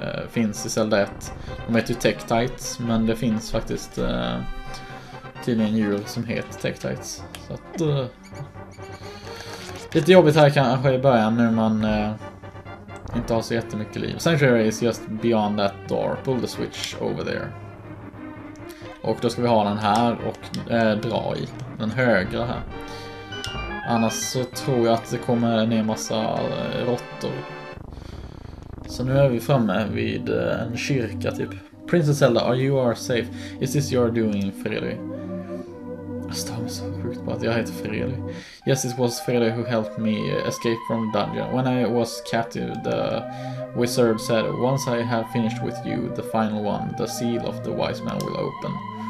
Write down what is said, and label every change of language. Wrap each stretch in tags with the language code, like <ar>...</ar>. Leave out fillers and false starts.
<sv>Finns i Zelda 1. De heter ju Tektites, men det finns faktiskt tydligen djur som heter Tektites. Så att lite jobbigt här kanske i början när man inte har så jättemycket liv.</sv> <en>Sanctuary is just beyond that door. Pull the switch over there.</en> <sv>Och då ska vi ha den här och dra i den högra här. Annars så tror jag att det kommer ner massa råttor. Så nu är vi framme vid en kyrka typ.</sv> <en>Princess Zelda, are you are safe? Is this your doing, Fredrik?</en> <sv>Jag står så sjukt på att jag heter Fredrik.</sv> <en>Yes, it was Fredrik who helped me escape from the dungeon. When I was captive, the wizard said, once I have finished with you, the final one, the seal of the wise man will open.</en>